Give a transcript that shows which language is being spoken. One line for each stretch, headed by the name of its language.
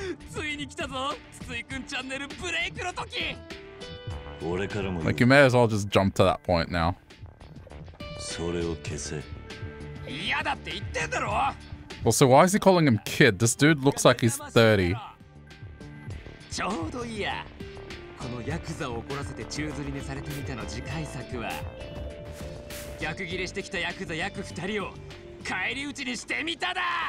Japanese: ついに来たぞ、つついくんチャンネルブレイクの時。俺からも。
English: Like you may as well just jump to that point now.
Japanese: それを消せ。いやだって言ってんだろ。
English: Well, so why is he calling him kid? This dude looks like he's 30.
Japanese: ちょうどいいや。このヤクザを怒らせて宙吊りにされてみたの次回作は、逆ギレしてきたヤクザ約2人を返り討ちにしてみただ。